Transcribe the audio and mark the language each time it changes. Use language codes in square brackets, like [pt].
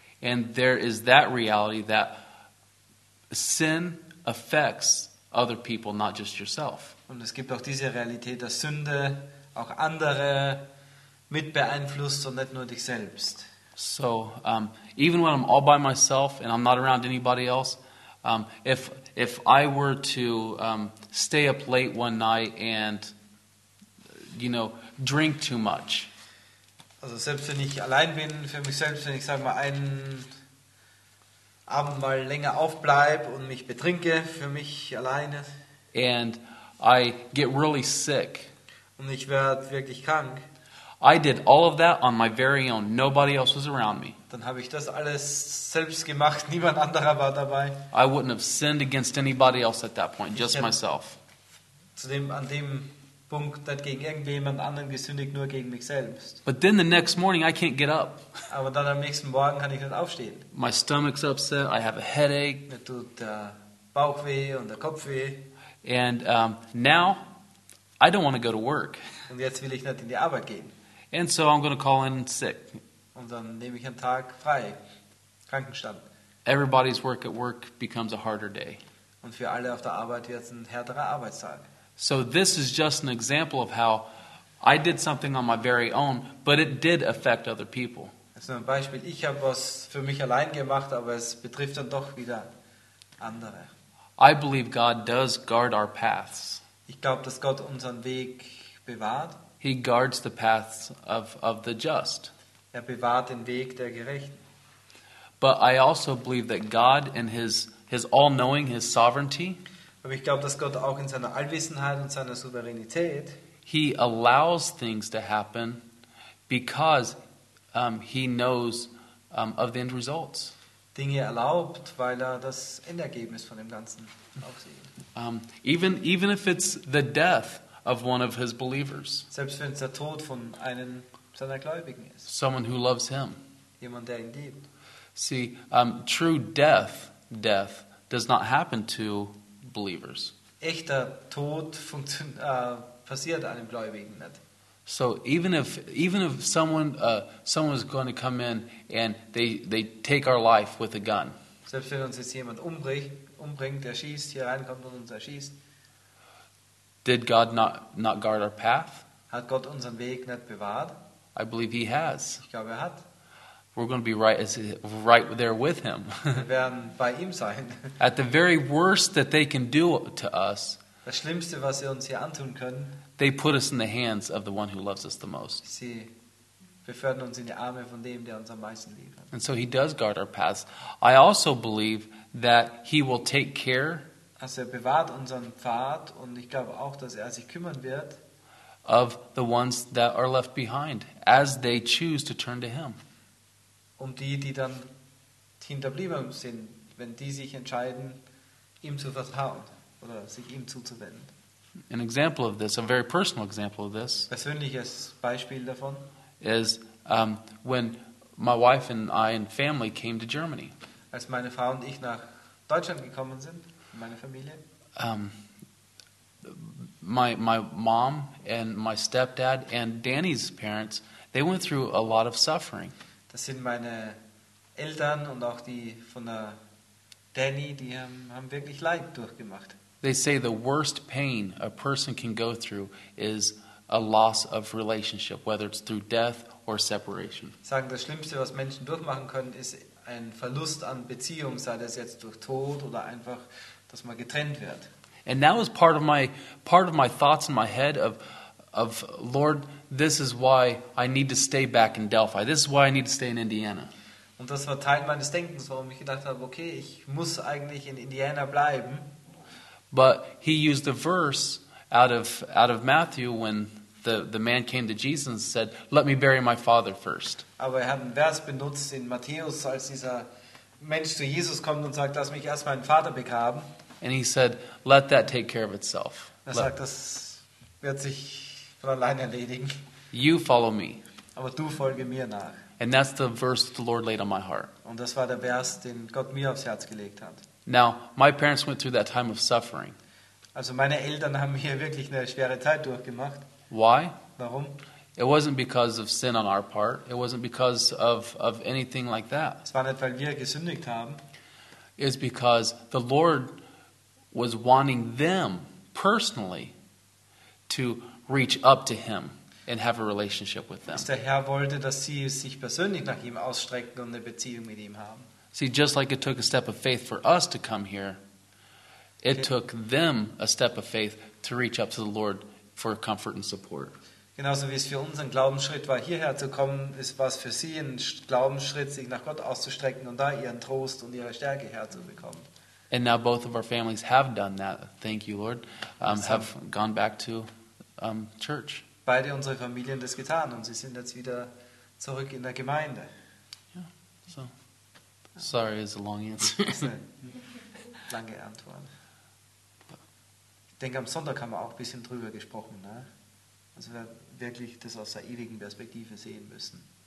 [en] And there is that reality that sin affects other people, not just yourself. [de] Und es gibt auch diese Realität, dass Sünde auch andere mit beeinflusst und nicht nur dich selbst. [en] So, even when I'm all by myself and I'm not around anybody else, if I were to stay up late one night and, you know, drink too much. [de] Also selbst wenn ich allein bin, für mich selbst, wenn ich, sag mal, einen Abend mal länger aufbleib und mich betrinke für mich alleine. [en] And I get really sick. [de] Und ich werde wirklich krank. [en] I did all of that on my very own. Nobody else was around me. [de] Dann habe ich das alles selbst gemacht. Niemand anderer war dabei. [en] I wouldn't have sinned against anybody else at that point, just myself. [de] An dem Punkt hat gegen irgendjemand anderen gesündigt, nur gegen mich selbst. [en] But then the next morning I can't get up. [de] Aber dann am nächsten Morgen kann ich nicht aufstehen. [en] My stomach's upset. I have a headache. [de] Mir tut der Bauch weh und der Kopf weh. [en] And now I don't want to go to work. [de] Und jetzt will ich nicht in die Arbeit gehen. [en] And so I'm going to call in sick. [de] Und dann nehme ich einen Tag frei. Krankenstand. [en] Everybody's work at work becomes a harder day. [de] Und für alle auf der Arbeit wird es ein härterer Arbeitstag. [en] So this is just an example of how I did something on my very own, but it did affect other people. [de] Das ist nur ein Beispiel. Ich habe was für mich allein gemacht, aber es betrifft dann doch wieder andere. [en] I believe God does guard our paths. [de] Ich glaube, dass Gott unseren Weg bewahrt. [en] He guards the paths of the just. [de] Er bewahrt den Weg der Gerechten. [en] But I also believe that God in his all-knowing, his sovereignty, [de] aber ich glaube, dass Gott auch in seiner Allwissenheit und seiner Souveränität, [en] he allows things to happen because he knows of the end results. [de] Dinge erlaubt, weil er das Endergebnis von dem Ganzen auch sieht. [en] Even if it's the death of one of his believers. [de] Selbst wenn es der Tod von einem seiner Gläubigen ist. [en] Someone who loves him. [de] Jemand, der ihn liebt. [en] See, true death does not happen to believers. [de] Echter Tod passiert einem Gläubigen nicht. [en] So even if someone is going to come in and they take our life with a gun. [de] Selbst wenn uns jetzt jemand umbringt, der schießt, hier reinkommt und uns erschießt. [en] Did God not guard our path? [de] Hat Gott unseren Weg nicht bewahrt? [en] I believe he has. [de] Ich glaube, er hat. [en] We're going to be right there with him. [de] Wir werden bei ihm sein. [en] At the very worst that they can do to us, [de] das Schlimmste, was sie uns hier antun können, [en] they put us in the hands of the one who loves us the most. [de] Sie befördern uns in die Arme von dem, der uns am meisten liebt. [en] And so he does guard our paths. I also believe that he will take care. [de] Also er bewahrt unseren Pfad, und ich glaube auch, dass er sich kümmern wird. [en] Of the ones that are left behind, as they choose to turn to him. [de] Um die, die dann hinterblieben sind, wenn die sich entscheiden, ihm zu vertrauen oder sich ihm zuzuwenden. [en] An example of this, a very personal example of this. [de] Persönliches Beispiel davon ist, [en] when my wife and I and family came to Germany. [de] Als meine Frau und ich nach Deutschland gekommen sind, meine Familie. [en] My mom and my stepdad and Danny's parents, they went through a lot of suffering. [de] Das sind meine Eltern und auch die von der Danny, die haben wirklich Leid durchgemacht. [en] They say the worst pain a person can go through is a loss of relationship, whether it's through death or separation. [de] Sagen, das Schlimmste, was Menschen durchmachen können, ist ein Verlust an Beziehung, sei das jetzt durch Tod oder einfach, dass man getrennt wird. [en] And that was part of my thoughts in my head of Lord, this is why I need to stay back in Delphi. This is why I need to stay in Indiana. [de] Und das war Teil meines Denkens, warum ich gedacht habe, okay, ich muss eigentlich in Indiana bleiben. [en] But he used a verse out of Matthew when the man came to Jesus and said, "Let me bury my father first." [de] Aber er hat einen Vers benutzt in Matthäus, als dieser Mensch zu Jesus kommt und sagt, lass mich erst meinen Vater begraben. [en] And he said, "Let that take care of itself." [de] Er sagt, das wird sich von allein erledigen. [en] You follow me. [de] Aber du folge mir nach. [en] And that's the verse the Lord laid on my heart. [de] Und das war der Vers, den Gott mir aufs Herz gelegt hat. [en] Now, my parents went through that time of suffering. [de] Also meine Eltern haben hier wirklich eine schwere Zeit durchgemacht. [en] Why? [de] Warum? [en] It wasn't because of sin on our part. It wasn't because of anything like that. [de] Es war nicht, weil wir gesündigt haben. [en] It's because the Lord was wanting them personally to reach up to him and have a relationship with them. [de] Der Herr wollte, dass sie sich persönlich nach ihm ausstrecken und eine Beziehung mit ihm haben. [en] See, just like it took a step of faith for us to come here, it took them a step of faith to reach up to the Lord for comfort and support. [de] Genauso wie es für uns ein Glaubensschritt war, hierher zu kommen, ist was für sie ein Glaubensschritt, sich nach Gott auszustrecken und da ihren Trost und ihre Stärke herzubekommen. [en] And now both of our families have done that. Thank you, Lord. Have gone back to church. [de] Beide unsere Familien das getan, und sie sind jetzt wieder zurück in der Gemeinde. [en] Yeah. So. Sorry, it's a long answer. [de] Lange Antwort. Ich denke, am Sonntag haben wir auch ein bisschen drüber gesprochen, ne? Also wir wirklich das aus der ewigen Perspektive sehen müssen.